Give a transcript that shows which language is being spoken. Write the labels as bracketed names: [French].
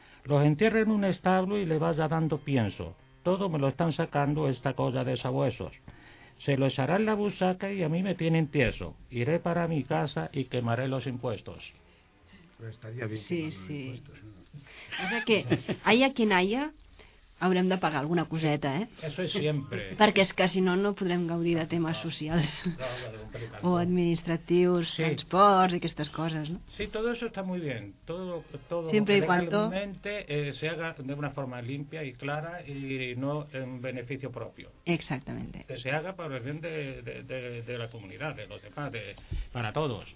[Spanish] Los entierre en un establo y le vaya dando pienso. Todo me lo están sacando esta cosa de sabuesos. Se lo echará en la busaca y a mí me tienen tieso. Iré para mi casa y quemaré los impuestos. Pero estaría bien. Sí, sí. O sea que, haya quien haya, [Catalan] haurem de pagar alguna coseta, ¿eh? [Spanish] Eso es siempre. [Catalan] Perquè és que si no, no podrem gaudir de temes socials. No, o administratius, sí. Transports, aquestes coses, no? [Spanish] Sí, todo eso está muy bien. Todo siempre y cuanto... se haga de una forma limpia y clara y no en beneficio propio. Exactamente. Que se haga para el bien de la comunidad, de los demás, para todos.